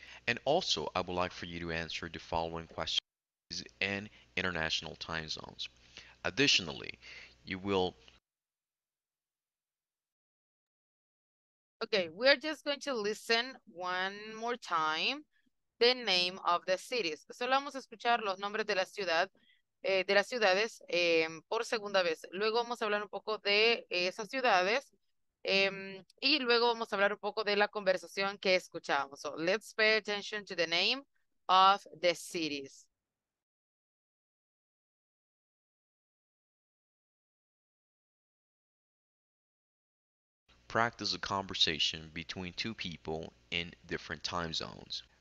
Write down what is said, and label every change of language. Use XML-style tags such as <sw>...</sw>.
<en>And also, I would like for you to answer the following questions and international time zones. Additionally, you will... Okay, we're just going to listen one more time the name of the cities.</en> <es>Solo vamos a escuchar los nombres de la ciudad, de las ciudades por segunda vez. Luego vamos a hablar un poco de esas ciudades y luego vamos a hablar un poco de la conversación que escuchamos.</es> <en>So let's pay attention to the name of the cities. Practice a conversation between two people in different time zones.</en>